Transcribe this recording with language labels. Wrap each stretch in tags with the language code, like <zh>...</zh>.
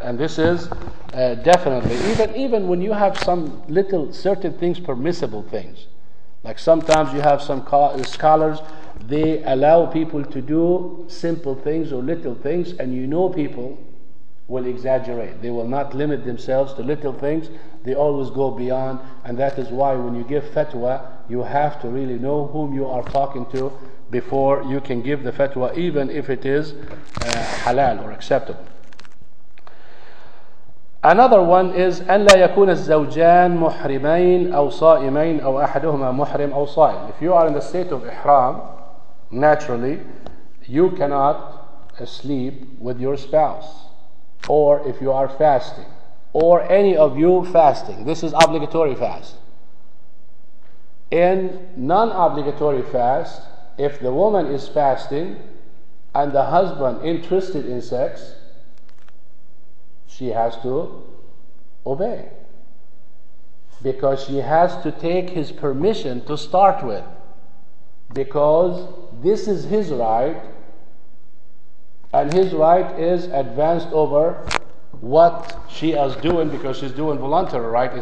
<en>And this is definitely, even when you have some little certain things, permissible things, like sometimes you have some scholars, they allow people to do simple things or little things, and you know people will exaggerate. They will not limit themselves to little things. They always go beyond. And that is why when you give fatwa, you have to really know whom you are talking to before you can give the fatwa, even if it is halal or acceptable. Another one is</en> <ar>أن لا يكون الزوجان محرمين أو صائمين أو أحدهما محرم أو صائم.</ar> <en>If you are in the state of ihram, naturally, you cannot sleep with your spouse, or if you are fasting, or any of you fasting. This is obligatory fast. In non-obligatory fast, if the woman is fasting and the husband interested in sex, she has to obey, because she has to take his permission to start with, because this is his right, and his right is advanced over what she is doing, because she's doing voluntary right.</en>